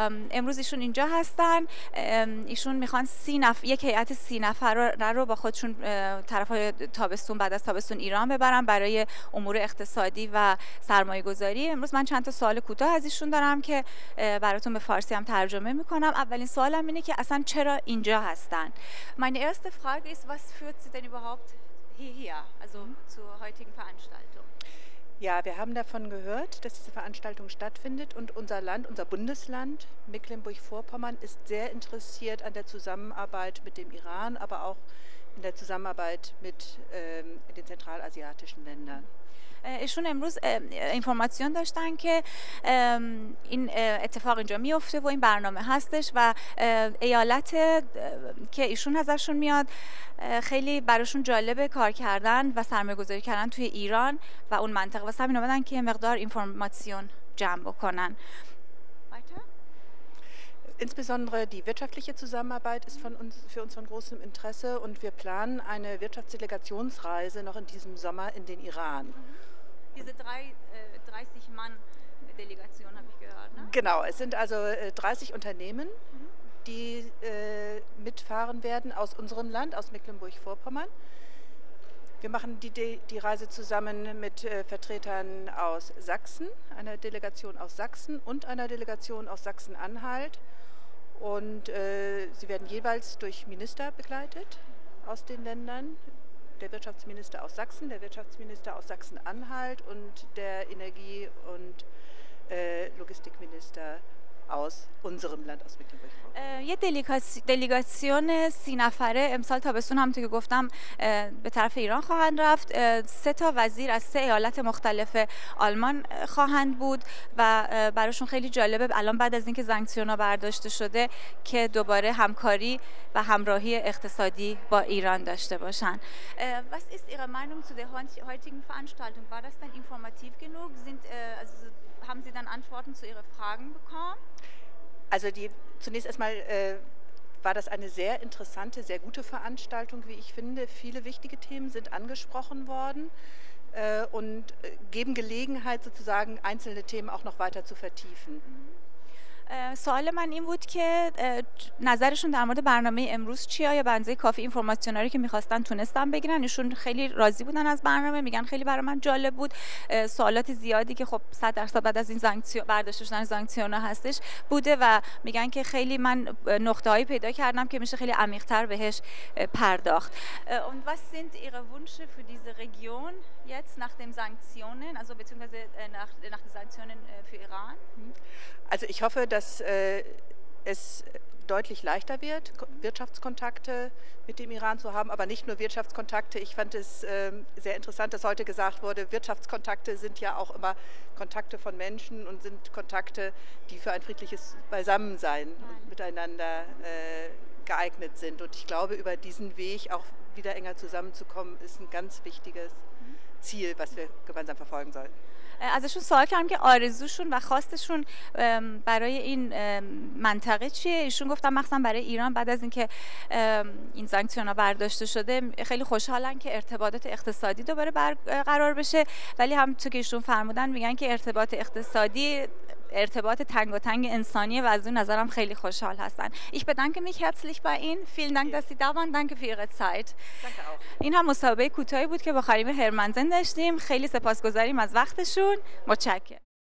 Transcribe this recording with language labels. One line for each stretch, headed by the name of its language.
Persian: امروز ایشون اینجا هستن، ایشون میخوان یک هیئت 30 نفره رو با خودشون طرف های تابستون، بعد از تابستون ایران ببرن برای امور اقتصادی و سرمایه گذاری. امروز من چند تا سوال کوتاه از ایشون دارم که براتون به فارسی هم ترجمه میکنم. اولین سوالم اینه که اصلا چرا اینجا هستن؟
German: Meine erste Frage ist, was führt Sie denn überhaupt hierher, also zur heutigen Veranstaltung? Ja, wir haben davon gehört, dass diese Veranstaltung stattfindet und unser Land, unser Bundesland Mecklenburg-Vorpommern ist sehr interessiert an der Zusammenarbeit mit dem Iran, aber auch in der Zusammenarbeit mit den zentralasiatischen Ländern.
Persian: ایشون امروز اینفورماسیون داشتن که این اتفاق اینجا میفته و این برنامه هستش و ایالت که ایشون ازشون میاد خیلی براشون جالبه کار کردن و سرمایه گذاری کردن توی ایران و اون منطقه، واسه همین اومدن که مقدار اینفورماسیون جمع بکنن.
German: Insbesondere die wirtschaftliche Zusammenarbeit ist für uns von großem Interesse und wir planen eine Wirtschaftsdelegationsreise noch in diesem Sommer in den Iran. Diese 30 Mann-Delegation habe ich gehört, ne? Genau, es sind also 30 Unternehmen, die mitfahren werden aus unserem Land, aus Mecklenburg-Vorpommern. Wir machen die Reise zusammen mit Vertretern aus Sachsen, einer Delegation aus Sachsen und einer Delegation aus Sachsen-Anhalt. Und sie werden jeweils durch Minister begleitet aus den Ländern. Der Wirtschaftsminister aus Sachsen, der Wirtschaftsminister aus Sachsen-Anhalt und der Energie- und Logistikminister aus unserem Land, aus Mecklenburg-Vorpommern.
Persian: یه دلیگاسیون 30 نفره امسال تابستون هم که گفتم به طرف ایران خواهند رفت. سه تا وزیر از سه ایالت مختلف آلمان خواهند بود و براشون خیلی جالبه الان بعد از اینکه سانکشن ها برداشته شده که دوباره همکاری و همراهی اقتصادی با ایران داشته باشن.
German: Was ist Ihre Meinung zu der heutigen Veranstaltung? War das dann informativ genug? Haben Sie dann Antworten zu Ihre Fragen bekommen? Also zunächst erstmal war das eine sehr interessante, sehr gute Veranstaltung, wie ich finde. Viele wichtige Themen sind angesprochen worden und geben Gelegenheit, sozusagen einzelne Themen auch noch weiter zu vertiefen.
Persian: سوال من این بود که نظرشون در مورد برنامه امروز چیه؟ آیا بنزه کافی اینفورماسیونی که میخواستن تونستن بگیرن؟ ایشون خیلی راضی بودن از برنامه، میگن خیلی برای من جالب بود. سوالات زیادی که خب 100% بعد از این برداشته شدن سانکشن ها هستش بوده و میگن که خیلی من نقطه هایی پیدا کردم که میشه خیلی عمیق تر بهش پرداخت.
German: Und was sind ihre Wünsche für diese Region jetzt nach den Sanktionen, also beziehungsweise nach den Sanktionen für Iran? Also ich hoffe, dass es deutlich leichter wird, Wirtschaftskontakte mit dem Iran zu haben, aber nicht nur Wirtschaftskontakte. Ich fand es sehr interessant, dass heute gesagt wurde, Wirtschaftskontakte sind ja auch immer Kontakte von Menschen und sind Kontakte, die für ein friedliches Beisammensein miteinander geeignet sind. Und ich glaube, über diesen Weg auch wieder enger zusammenzukommen, ist ein ganz wichtiges Ziel, was wir gemeinsam verfolgen sollten.
Persian: ازشون سوال کردم که آرزوشون و خواستشون برای این منطقه چیه؟ ایشون گفتن مخصوصا برای ایران بعد از اینکه این سانکشن ها برداشته شده خیلی خوشحالن که ارتباطات اقتصادی دوباره برقرار بشه، ولی هم تو که ایشون فرمودن میگن که ارتباط اقتصادی ارتباط تنگ و تنگ انسانیه و از اون نظرم خیلی خوشحال هستن.
German: Ich bedanke mich herzlich bei Ihnen. Vielen Dank, dass Sie da waren. Danke für Ihre Zeit.
Persian: این هم مصاحبه کوتاهی بود که با خانم هرمنزن داشتیم. خیلی سپاسگزاریم از وقتشون. متشکرم.